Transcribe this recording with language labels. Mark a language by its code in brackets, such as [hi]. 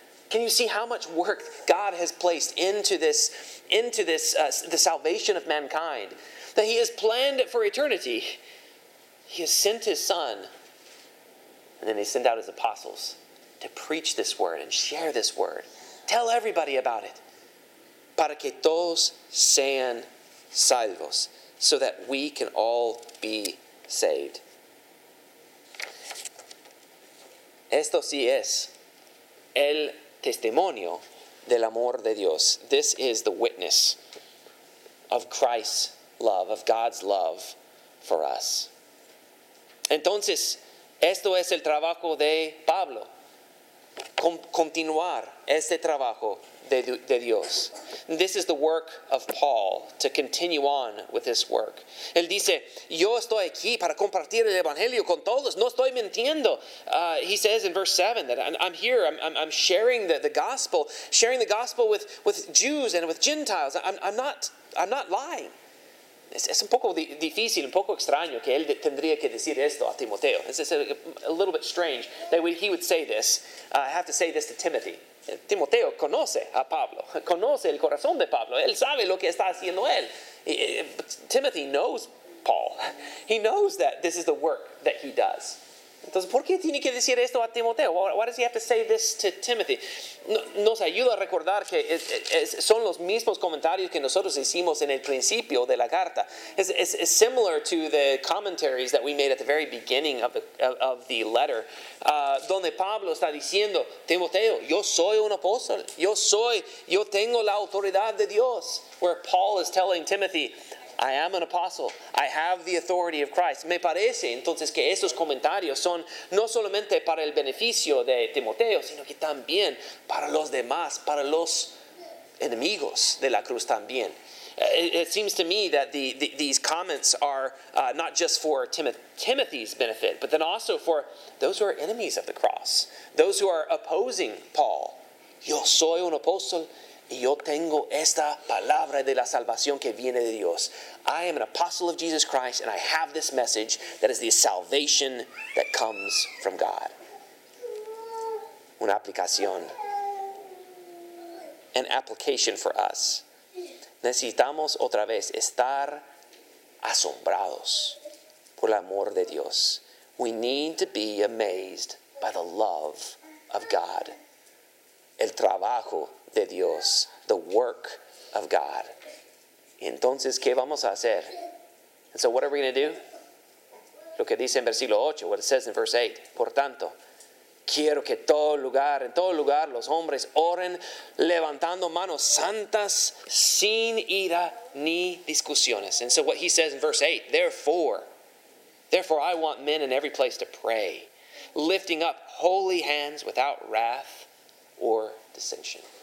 [en] Can you see how much work God has placed into the salvation of mankind? That He has planned it for eternity. He has sent His Son. And then He sent out His apostles to preach this word and share this word. Tell everybody about it. [es] Para que todos sean salvos. [en] So that we can all be saved. [es] Esto sí es el testimonio del amor de Dios. [en] This is the witness of Christ's love, of God's love for us. [es] Entonces, esto es el trabajo de Pablo. Continuar este trabajo de Dios. [en] This is the work of Paul, to continue on with this work. [es] Él dice, yo estoy aquí para compartir el evangelio con todos, no estoy mintiendo. [en] He says in verse 7 that I'm here, I'm sharing the gospel, sharing the gospel with Jews and with Gentiles. I'm not lying. [es] Es un poco difícil, un poco extraño que él tendría que decir esto a Timoteo. [en] It's a little bit strange that he would say this. I have to say this to Timothy. [es] Timoteo conoce a Pablo, conoce el corazón de Pablo. Él sabe lo que está haciendo él. [en] Timothy knows Paul. He knows that this is the work that he does. [es] Entonces, ¿por qué tiene que decir esto a Timoteo? [en] Why does he have to say this to Timothy? [es] Nos ayuda a recordar que son los mismos comentarios que nosotros hicimos en el principio de la carta. [en] It's similar to the commentaries that we made at the very beginning of the letter, [es] donde Pablo está diciendo, Timoteo, yo soy un apóstol. Yo tengo la autoridad de Dios. [en] Where Paul is telling Timothy, I am an apostle. I have the authority of Christ. [es] Me parece, entonces, que estos comentarios son no solamente para el beneficio de Timoteo, sino que también para los demás, para los enemigos de la cruz también. [en] It seems to me that these comments are not just for Timothy's benefit, but then also for those who are enemies of the cross, those who are opposing Paul. [es] Yo soy un apóstol. Y yo tengo esta palabra de la salvación que viene de Dios. [en] I am an apostle of Jesus Christ, and I have this message that is the salvation that comes from God. [es] Una aplicación. [en] An application for us. [es] Necesitamos otra vez estar asombrados por el amor de Dios. [en] We need to be amazed by the love of God. [es] El trabajo de Dios, [en] the work of God. [es] Entonces, ¿qué vamos a hacer? [en] And so what are we going to do? [es] Lo que dice en versículo 8, [en] what it says in verse 8. [es] Por tanto, quiero que en todo lugar, los hombres oren levantando manos santas sin ira ni discusiones. [en] And so what he says in verse 8, therefore I want men in every place to pray, lifting up holy hands without wrath or dissension.